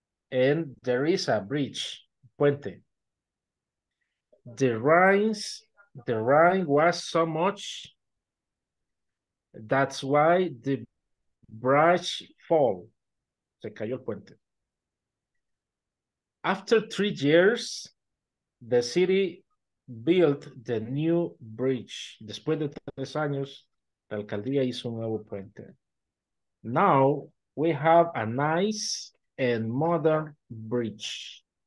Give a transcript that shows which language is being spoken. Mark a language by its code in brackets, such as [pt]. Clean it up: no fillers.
[en] And there is a bridge, puente. The rain was so much. That's why the bridge fall. [es] Se cayó el puente. [en] After 3 years, the city built the new bridge. [es] Después de 3 años, la alcaldía hizo un nuevo puente. [en] Now we have a nice and modern bridge.